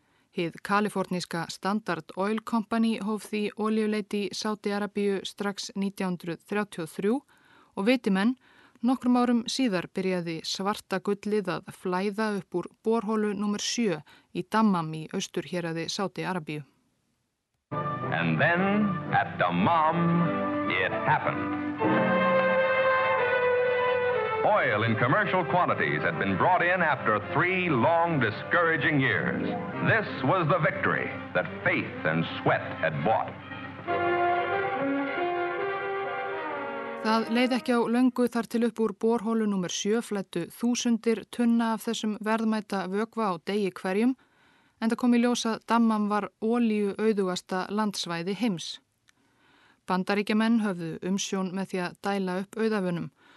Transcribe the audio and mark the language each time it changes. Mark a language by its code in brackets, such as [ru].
[is] Hið kaliforníska Standard Oil Company hóf því olíuleiti Sáti Arabíu strax 1933 og viti menn, nokkrum árum síðar byrjaði svarta gullið að flæða upp úr borholu nr. 7 í Dammam í austur héraði Sáti Arabíu. [en] And then at Dammam it happened. Oil in commercial quantities had been brought in after three long, discouraging years. This was the victory that faith and sweat had bought. [is] Það leið ekki á löngu þar til upp úr borholu nr. 7 flættu þúsundir tunna af þessum verðmæta vökva á degi hverjum, en það kom í ljós að Dammam var olíu auðugasta landsvæði heims. Bandaríkjamenn höfðu umsjón með því að dæla upp auðafunum.